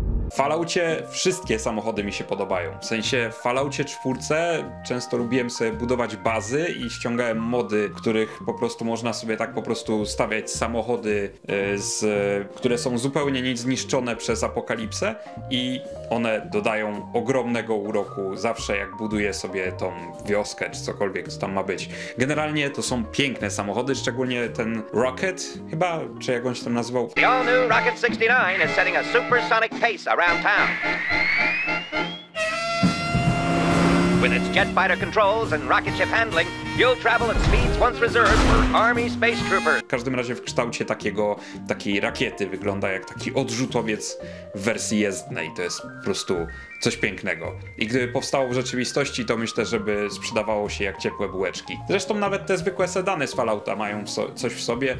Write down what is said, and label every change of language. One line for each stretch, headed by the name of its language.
Polish: W Falloutie wszystkie samochody mi się podobają. W sensie w Falloutie 4 często lubiłem sobie budować bazy i ściągałem mody, w których po prostu można sobie tak po prostu stawiać samochody, które są zupełnie nic zniszczone przez apokalipsę i one dodają ogromnego uroku zawsze jak buduję sobie tą wioskę czy cokolwiek co tam ma być. Generalnie to są piękne samochody, szczególnie ten Rocket chyba, czy jak on się tam nazywał.
English: The all new Rocket 69 is setting a supersonic pace around town. With its jet fighter controls and rocket ship handling, you'll travel at speeds once reserved for Army Space Troopers.
Polish: W każdym razie w kształcie takiej rakiety wygląda jak taki odrzutowiec w wersji jezdnej. To jest po prostu coś pięknego. I gdyby powstało w rzeczywistości, to myślę, żeby sprzedawało się jak ciepłe bułeczki. Zresztą nawet te zwykłe sedany z Fallouta mają coś w sobie.